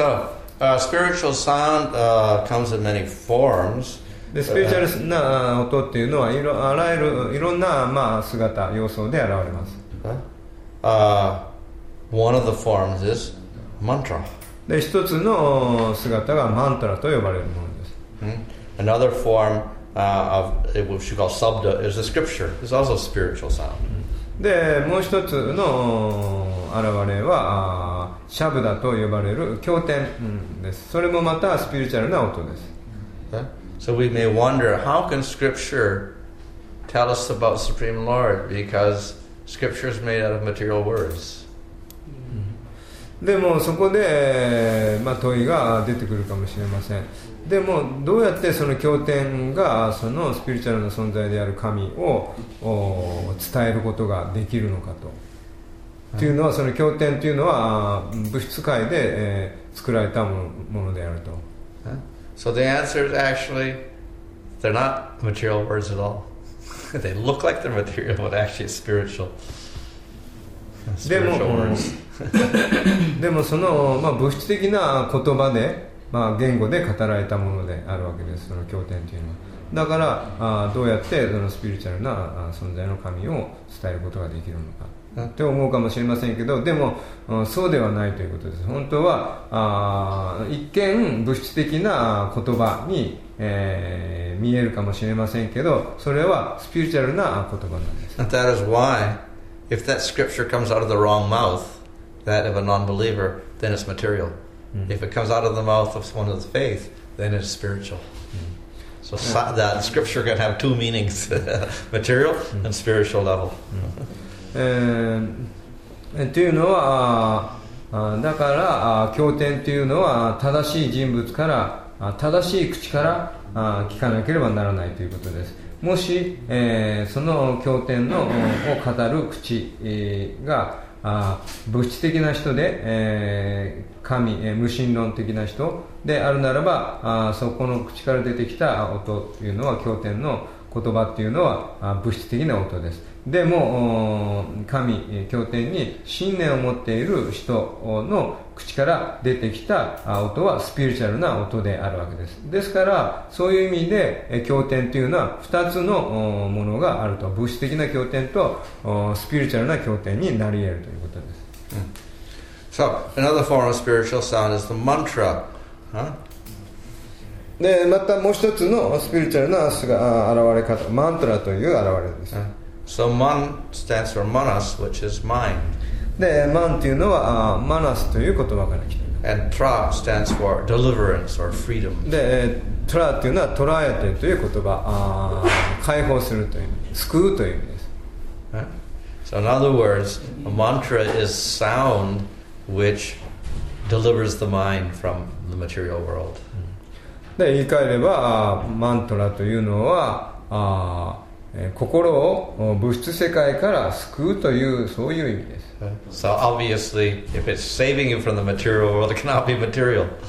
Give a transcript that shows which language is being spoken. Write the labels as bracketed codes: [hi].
[en] So, spiritual sound, comes in many forms. [ja] で、スピリチュアルな音というのはいろんな、まあ、姿、要素で現れます。 [en] One of the forms isMantra. [ja] で、一つの姿がマントラと呼ばれるものです。 [en] Another form, of what you call sabda is the scripture. It's also a spiritual sound. [ja] で、もう一つの現れはシャブダと呼ばれる経典です。それもまたスピリチュアルな音です。 [en] So we may wonder, how can scripture tell us about the Supreme Lord? Because scripture is made out of material words. [ja] でもそこで、まあ、問いが出てくるかもしれません。でもどうやってその経典がそのスピリチュアルな存在である神を伝えることができるのかと、というのはその経典というのは物質界で、作られたものであると。 [en] So the answer is actually they're not material words at all. They look like they're material but actually it's spiritual. Spiritual words. [ja] でもその、まあ、物質的な言葉で、まあ、言語で語られたものであるわけです、その経典というのは。だから、あ、どうやってそのスピリチュアルな存在の神を伝えることができるのかって思うかもしれませんけど、でも、そうではないということです。本当は、一見物質的な言葉に、見えるかもしれませんけど、それはスピリチュアルな言葉なんです。 [en] And that is why if that scripture comes out of the wrong mouthThat of a non-believer, then it's material. If it comes out of the mouth of one of the faith, then it's spiritual. So that scripture can have two meanings: material and spiritual level. [ja] And というのは、だから経典というのは正しい人物から正しい口から聞かなければならないということです。もし、その経典のを語る口が物質的な人で、神、無神論的な人であるならば、そこの口から出てきた音というのは経典の言葉というのは物質的な音です。でも神、経典に信念を持っている人の口から出てきた音はスピリチュアルな音であるわけです。ですからそういう意味で経典というのは2つのものがあると、物質的な経典とスピリチュアルな経典になり得るということです。 [en] So another form of spiritual sound is the mantra、huh? [ja] で、またもう一つのスピリチュアルな現れ方、マントラという現れです。 [en] So man stands for manas, which is mind. [ja] で、man というのはマナスという言葉から来ています。 [en] And tra stands for deliverance or freedom. [ja] で、tra というのはトラヤテという言葉、解放するという、救うという意味です。 [en] So in other words, a mantra is sound which delivers the mind from the material world. [ja] で、言い換えればマントラというのは心を物質世界から救うというそういう意味です。 [en] So obviously if it's saving you from the material world, it cannot be material.